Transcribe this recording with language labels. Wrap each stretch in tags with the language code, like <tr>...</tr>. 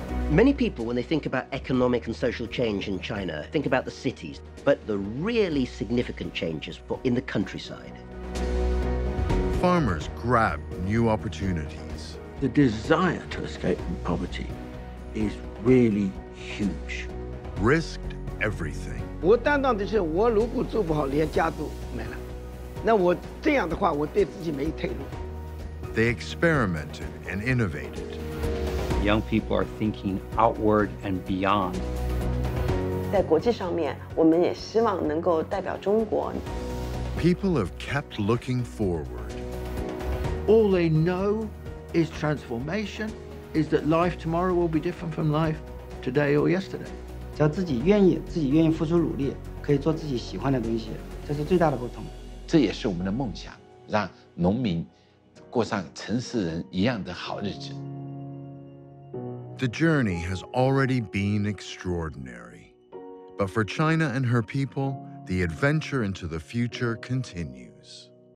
<en>Many people, when they think about economic and social change in China, think about the cities, but the really significant changes were in the countryside. Farmers grab new opportunities. The desire to escape from poverty is really huge. Risked everything.</en> <zh>我担当的是，我如果做不好，连家都没了。那我这样的话，我对自己没退路。</zh> <en>They experimented and innovated. Young people are thinking outward and beyond.</en> <zh>在国际上面，我们也希望能够代表中国。</zh> <en>People have kept looking forward. All they know is transformation, is that life tomorrow will be different from life today or yesterday.</en> <zh>只要自己愿意，自己愿意付出努力，可以做自己喜欢的东西，这是最大的不同。这也是我们的梦想，让农民过上城市人一样的好日子。</zh> <en>The journey has already been extraordinary. But for China and her people, the adventure into the future continues.</en>